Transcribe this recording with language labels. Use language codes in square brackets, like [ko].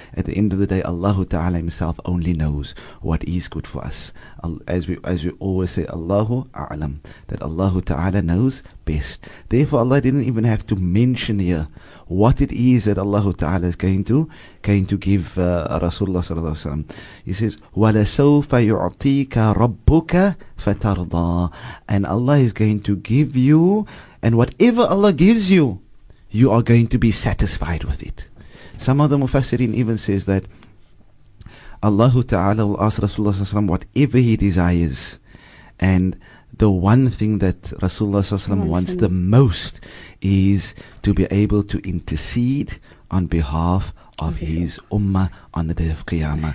[en] At the end of the day, Allah Ta'ala himself only knows what is good for us. As we always say, Allahu A'lam, that Allah Ta'ala knows best. Therefore, Allah didn't even have to mention here what it is that Allah Ta'ala is going to give Rasulullah Sallallahu Alaihi Wasallam. He says, [ar] وَلَسَوْفَ يُعْطِيكَ رَبُّكَ فَتَرْضَى. [en] And Allah is going to give you, and whatever Allah gives you, you are going to be satisfied with it. Some of the Mufassirin even says that Allah Ta'ala will ask Rasulullah Sallallahu Alaihi Wasallam whatever he desires, and the one thing that Rasulullah wants the most is to be able to intercede on behalf of his ummah on the day of Qiyamah.